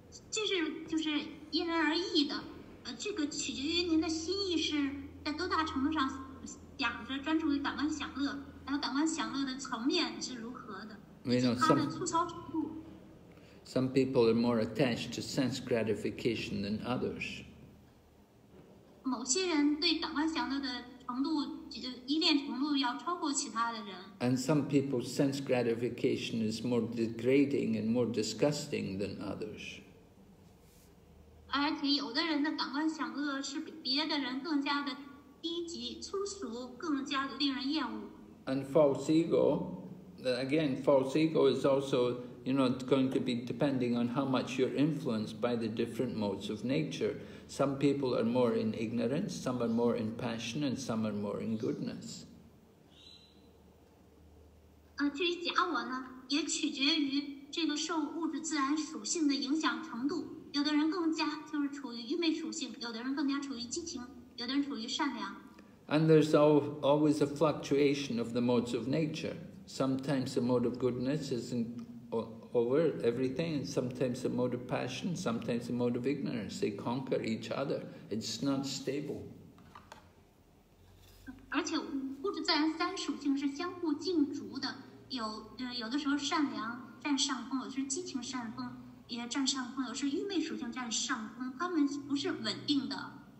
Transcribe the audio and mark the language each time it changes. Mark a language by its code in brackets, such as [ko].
[zh] 就是因人而异的，这个取决于您的心意是在多大程度上想着专注于感官享乐，然后感官享乐的层面是如何的，以及它的粗糙程度。 [en] Some people are more attached to sense gratification than others. [zh] 某些人对感官享乐的程度，依恋程度要超过其他的人。 [en] And some people's sense gratification is more degrading and more disgusting than others. [zh] 而且有的人的感官享乐是比别的人更加的低级、粗俗，更加的令人厌恶。 [en] And false ego, again, false ego is also, you know, going to be depending on how much you're influenced by the different modes of nature. Some people are more in ignorance, some are more in passion, and some are more in goodness. [zh] 至于假我呢，也取决于这个受物质自然属性的影响程度。有的人更加就是处于愚昧属性，有的人更加处于激情，有的人处于善良。 [en] And there's always a fluctuation of the modes of nature. Sometimes the mode of goodness isn't over everything, and sometimes the mode of passion, sometimes the mode of ignorance. They conquer each other. It's not stable. [zh] 而且物质自然三属性是相互竞逐的，有的时候善良占上风，有的时候激情善风也占上风，有的时候愚昧属性占上风，它们不是稳定的。